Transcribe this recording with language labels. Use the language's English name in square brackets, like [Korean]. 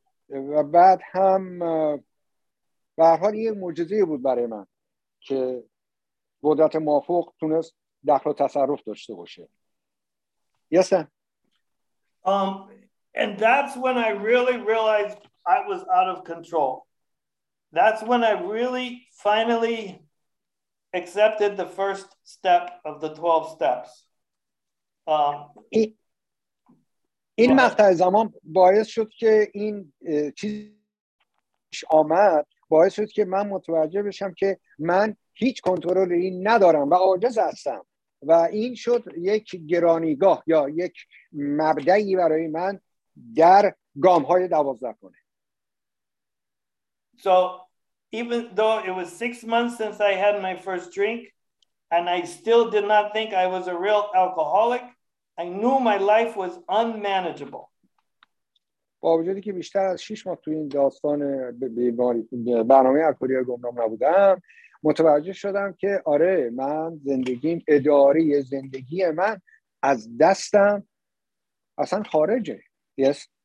[Persian] و بعد هم به هر حال یه معجزه بود برای من که قدرت موافق تونست دخل و تصرف داشته باشه. یسن. [English] And that's when I really realized I was out of control. That's when I really finally accepted the first step of the 12 steps. [Persian] این مقطع زمان باعث شد که این چیزش آمد، باعث شد که من متوجه بشم که من هیچ کنترلی ندارم و عاجز هستم و این شد یک گرانیگاه یا یک مبدعی برای من در گام های دوازده کنه. [English] So even though it was 6 months since I had my first drink and I still did not think I was a real alcoholic, I knew my life was unmanageable. [Persian] با وجودی که بیشتر از 6 ماه توی این داستان برنامه الکلی گمنام نبودم، متوجه شدم که آره من زندگیم، اداره زندگی من از دستم اصلا خارجه. [English] Yes.